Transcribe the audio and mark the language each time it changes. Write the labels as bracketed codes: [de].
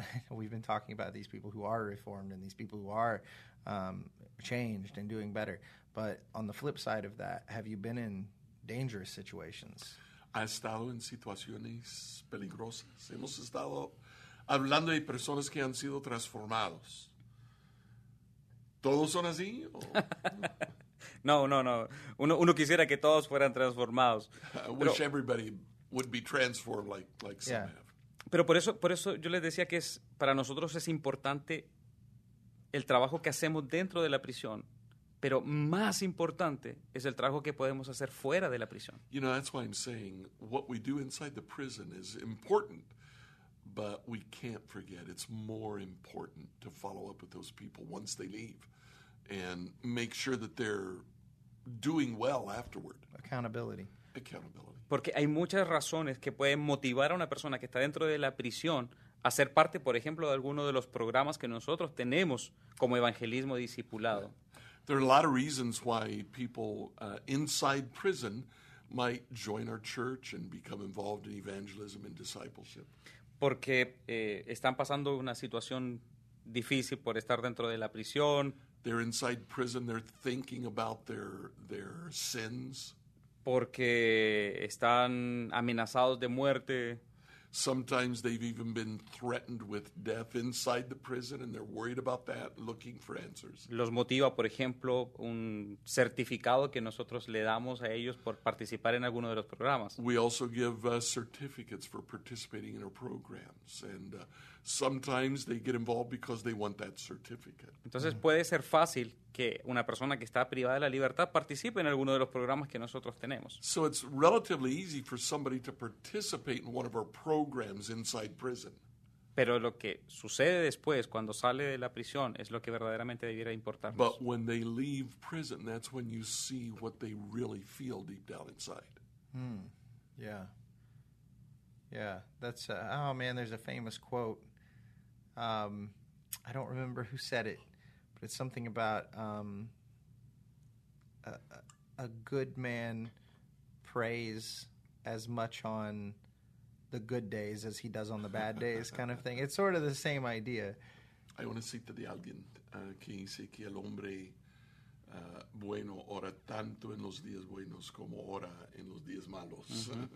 [en] We've been talking about these people who are reformed and these people who are changed and doing better. But on the flip side of that, have you been in dangerous situations? [es] Ha estado en situaciones peligrosas. Hemos estado hablando de personas que han sido transformados. ¿Todos son así? No. Uno quisiera que todos fueran transformados. [en] I wish everybody would be transformed like some have. [es] Pero por eso yo les decía que es para nosotros es importante el trabajo que hacemos dentro de la prisión. Pero más importante es el trabajo que podemos hacer fuera de la prisión. [en] You know, that's why I'm saying what we do inside the prison is important, but we can't forget. It's more important to follow up with those people once they leave and make sure that they're doing well afterward. Accountability. Accountability. [es] Porque hay muchas razones que pueden motivar a una persona que está dentro de la prisión a ser parte, por ejemplo, de alguno de los programas que nosotros tenemos como evangelismo discipulado. [en] There are a lot of reasons why people inside prison might join our church and become involved in evangelism and discipleship. [es] Porque están pasando una situación difícil por estar dentro de la prisión. [en] They're inside prison, they're thinking about their sins. [es] Porque están amenazados de muerte. [en] Sometimes they've even been threatened with death inside the prison, and they're worried about that, looking for answers. [es] Los motiva, por ejemplo, un certificado que nosotros le damos a ellos por participar en alguno de los programas. [en] We also give certificates for participating in our programs, and sometimes they get involved because they want that certificate. [es] Entonces puede ser fácil que una persona que está privada de la libertad participe en alguno de los programas que nosotros tenemos. [en] So it's relatively easy for somebody to participate in one of our programs inside prison. [es] Pero lo que sucede después, cuando sale de la prisión, es lo que verdaderamente debiera importarnos. [en] But when they leave prison, that's when you see what they really feel deep down inside. Hmm. Yeah. Yeah, that's, there's a famous quote. I don't remember who said it, but it's something about a good man prays as much on the good days as he does on the bad days kind of thing. It's sort of the same idea. [es] Hay una cita de alguien que dice que el hombre bueno ora tanto en los días buenos como ora en los días malos.